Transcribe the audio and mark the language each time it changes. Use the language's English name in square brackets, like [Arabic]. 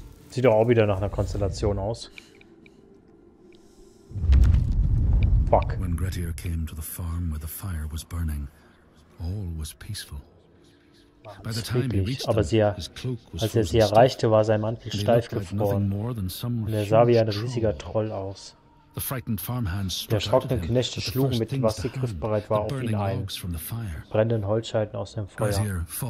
[German] Sieht doch auch wieder nach einer Konstellation aus. [English] Fuck. When Grettir came to the farm where the fire was burning, all was peaceful. [German] Aber als er sie erreichte, war sein Mantel steif gefroren und er sah wie ein riesiger Troll aus. Die erschrockenen Knechte schlugen mit, was sie griffbereit war, auf ihn ein, brennenden Holzscheiten aus dem Feuer.